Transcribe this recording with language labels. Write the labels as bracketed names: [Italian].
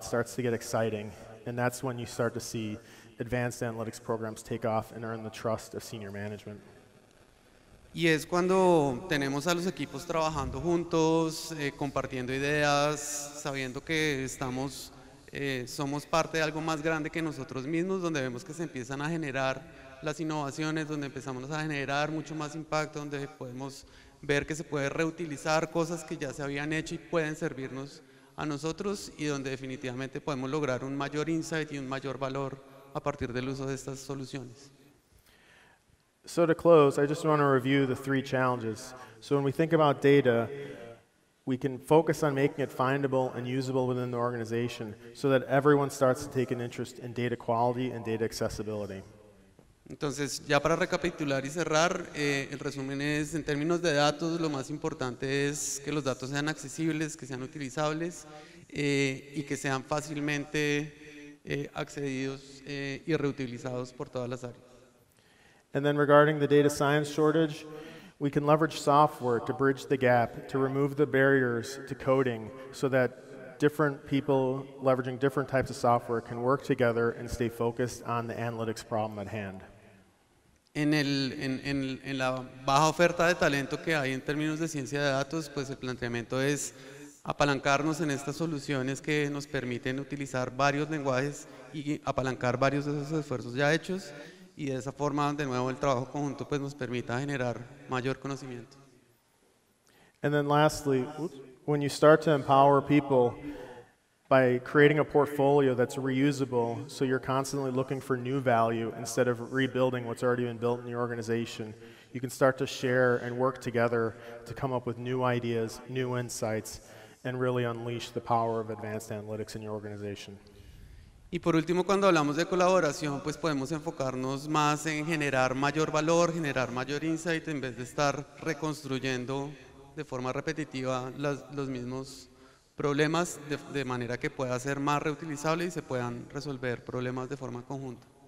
[English] It starts to get exciting, and that's when you start to see advanced analytics programs take off and earn the trust of senior management. [Spanish] Y es cuando tenemos a los equipos trabajando juntos, compartiendo ideas, sabiendo que estamos, somos parte de algo más grande que nosotros mismos, donde vemos que se empiezan a generar las innovaciones, donde empezamos a generar mucho más impacto, donde podemos ver que se puede reutilizar cosas que ya se habían hecho y pueden servirnos a nosotros, y donde definitivamente podemos lograr un mayor insight y un mayor valor a partir del uso de estas soluciones. [English] So to close, I just want to review the three challenges. So when we think about data, we can focus on making it findable and usable within the organization so that everyone starts to take an interest in data quality and data accessibility. [Spanish] Entonces, ya para recapitular y cerrar, el resumen es, en términos de datos, lo más importante es que los datos sean accesibles, que sean utilizables y que sean fácilmente accedidos y reutilizados por todas las áreas. [English] And then regarding the data science shortage, we can leverage software to bridge the gap, to remove the barriers to coding so that different people leveraging different types of software can work together and stay focused on the analytics problem at hand. [Spanish] En la baja oferta de talento que hay en términos de ciencia de datos, pues el planteamiento es apalancarnos en estas soluciones que nos permiten utilizar varios lenguajes y apalancar varios de esos esfuerzos ya hechos. Y de esa forma, de nuevo, el trabajo conjunto pues, nos permita generar mayor conocimiento. [English] And then lastly, when you start to empower people by creating a portfolio that's reusable, so you're constantly looking for new value instead of rebuilding what's already been built in your organization, you can start to share and work together to come up with new ideas, new insights, and really unleash the power of advanced analytics in your organization. [Spanish] Y por último, cuando hablamos de colaboración, pues podemos enfocarnos más en generar mayor valor, generar mayor insight, en vez de estar reconstruyendo de forma repetitiva los mismos problemas, de manera que pueda ser más reutilizable y se puedan resolver problemas de forma conjunta.